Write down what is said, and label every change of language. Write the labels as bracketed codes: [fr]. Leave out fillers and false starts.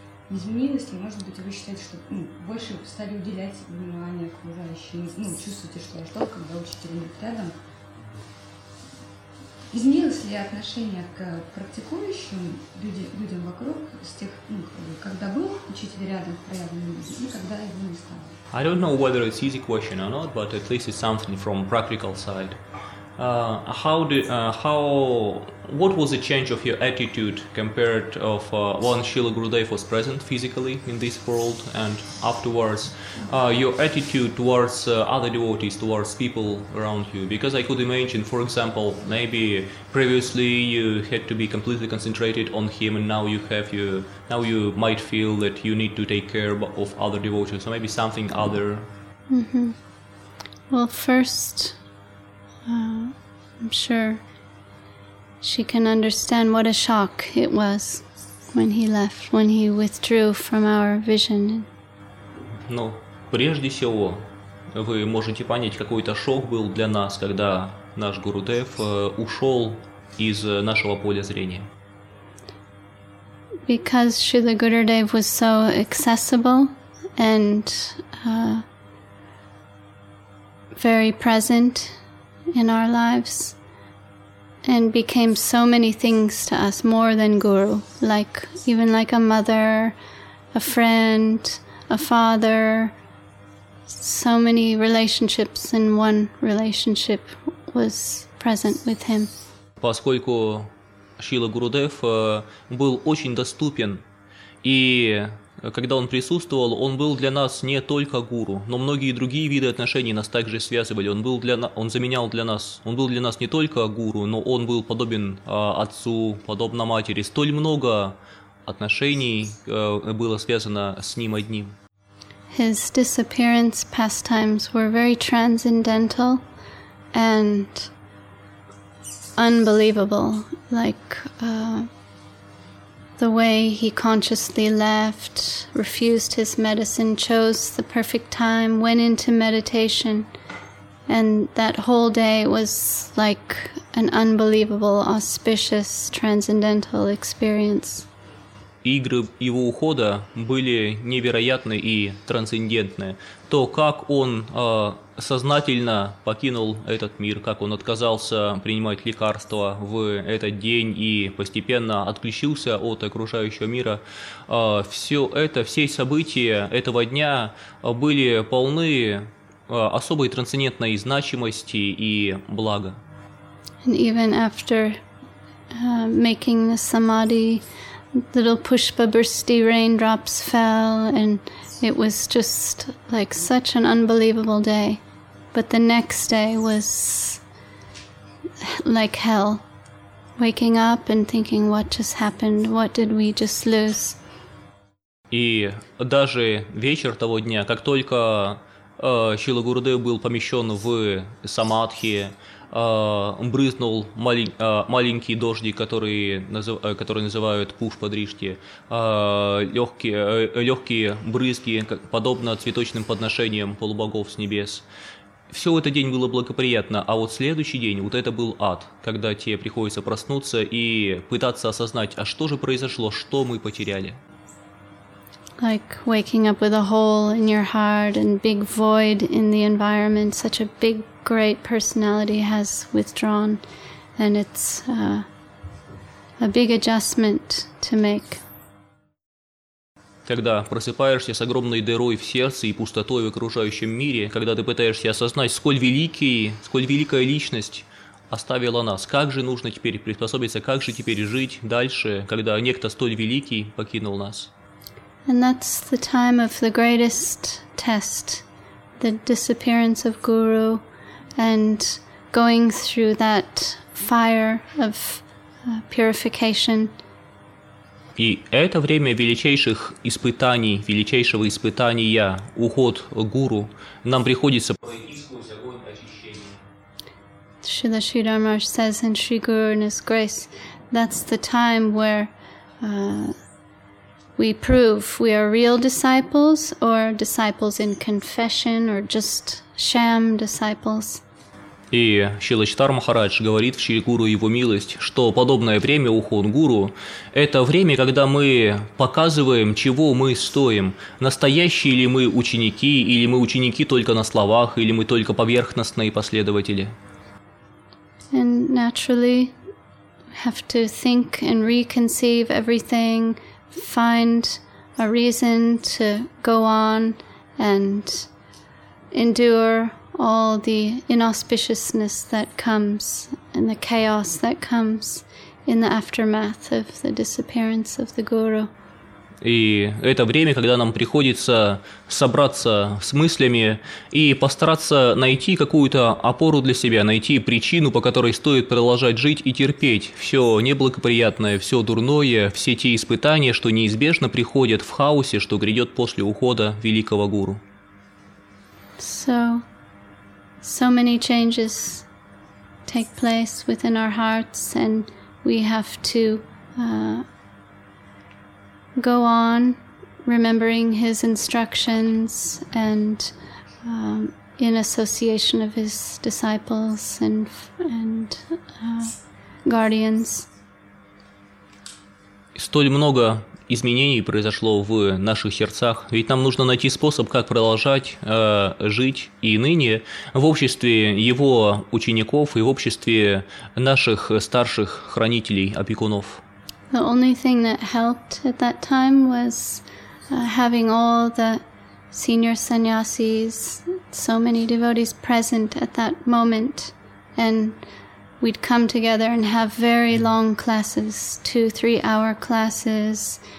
[ru] Изменилось ли, может быть, вы считаете, что больше стали уделять внимание окружающим, чувствуете, что ждал, когда учитель нет рядом? Изменилось ли отношение к практикующим людям вокруг с тех, когда был учитель рядом в проявленном виде и когда его не стало? [en] I don't know whether it's easy question or not, but at least it's something from practical side. What was the change of your attitude compared of when Srila Gurudev was present physically in this world and afterwards, your attitude towards other devotees, towards people around you? Because I could imagine, for example, maybe previously you had to be completely concentrated on him, and now you might feel that you need to take care of other devotees, so maybe something other. Mm-hmm. Well, first, I'm sure she can understand what a shock it was when he left, when he withdrew from our vision. [ru] Ну, прежде всего, вы можете понять, какой-то шок был для нас, когда наш Гурудев ушел из нашего поля зрения. [en] Because Srila Gurudev was so accessible and very present in our lives and became so many things to us, more than guru, like even like a mother, a friend, a father, so many relationships in one relationship was present with him. [ru] Поскольку Шрила Гурудев был очень доступен, и когда он присутствовал, он был для нас не только гуру, но многие другие виды отношений нас также связывали. Он был для нас не только гуру, но он был подобен отцу, подобно матери. Столь много отношений было связано с ним одним. [en] His disappearance pastimes were very transcendental and unbelievable, like the way he consciously left, refused his medicine, chose the perfect time, went into meditation, and that whole day was like an unbelievable, auspicious, transcendental experience. [ru] Игры его ухода были невероятны и трансцендентны. То, как он сознательно покинул этот мир, как он отказался принимать лекарства в этот день и постепенно отключился от окружающего мира, все события этого дня были полны особой трансцендентной значимости и блага. [en] And even after making the samadhi, little pushpa bursti raindrops fell, and it was just like such an unbelievable day. But the next day was like hell. Waking up and thinking, what just happened? What did we just lose? [ru] И даже вечер того дня, как только Шрила Гурудев был помещен в самадхи, брызнул маленький дождик, который называют пушпа-дришти, легкие брызги, подобно цветочным подношениям полубогов с небес. Все в этот день было благоприятно, а вот следующий день, вот это был ад, когда тебе приходится проснуться и пытаться осознать, а что же произошло, что мы потеряли. [en] Like waking up with a hole in your heart and big void in the environment, such a big great personality has withdrawn, and it's a big adjustment to make. [ru] Когда просыпаешься с огромной дырой в сердце и пустотой в окружающем мире, когда ты пытаешься осознать, сколь великая личность оставила нас, как же нужно теперь приспособиться, как же теперь жить дальше, когда некто столь великий покинул нас. [en] And that's the time of the greatest test, the disappearance of Guru and going through that fire of purification. [ru] И это время величайших испытаний, величайшего испытания, уход гуру, нам приходится [en] Śrīla Śrīdharmaraj says in Śrī Guru and His Grace, that's the time where we prove we are real disciples or disciples in confession or just sham disciples. [ru] И Шрила Читар Махарадж говорит в Шри Гуру Его Милость, что подобное время Ухон Гуру – это время, когда мы показываем, чего мы стоим. Настоящие ли мы ученики, или мы ученики только на словах, или мы только поверхностные последователи. [en] And naturally, have to think and reconceive everything, find a reason to go on and endure all the inauspiciousness that comes and the chaos that comes in the aftermath of the disappearance of the guru. [ru] И это время, когда нам приходится собраться с мыслями и постараться найти какую-то опору для себя, найти причину, по которой стоит продолжать жить и терпеть все неблагоприятное, все дурное, все те испытания, что неизбежно приходят в хаосе, что грядет после ухода великого гуру. [en] So many changes take place within our hearts, and we have to go on remembering his instructions and in association of his disciples and guardians. [ru] Столь много изменений произошло в наших сердцах, ведь нам нужно найти способ, как продолжать жить и ныне в обществе его учеников и в обществе наших старших хранителей, опекунов. [en] The only thing that helped at that time was having all the senior sannyasis, so many devotees present at that moment, and we'd come together and have very long classes, 2-3 hour classes.